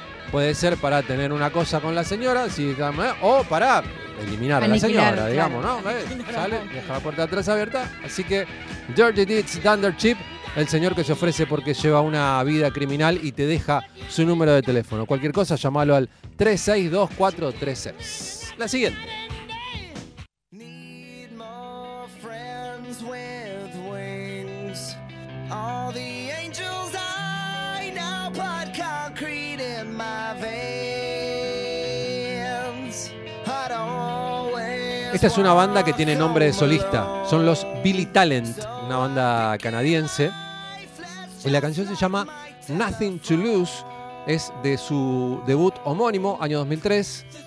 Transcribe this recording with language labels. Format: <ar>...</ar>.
<es>Puede ser para tener una cosa con la señora, si, o para eliminar a la señora, claro, digamos, ¿no? Sale, deja la puerta atrás abierta. Así que, Dirty Deeds, Dander Chip, el señor que se ofrece porque lleva una vida criminal y te deja su número de teléfono. Cualquier cosa, llámalo al 362-436. La siguiente.</es> <en>Need more friends with wings. All the angels I know put concrete in my veins.</en> <es>Esta es una banda que tiene nombre de solista. Son los Billy Talent, una banda canadiense. Y la canción se llama Nothing to Lose. Es de su debut homónimo, año 2003.</es>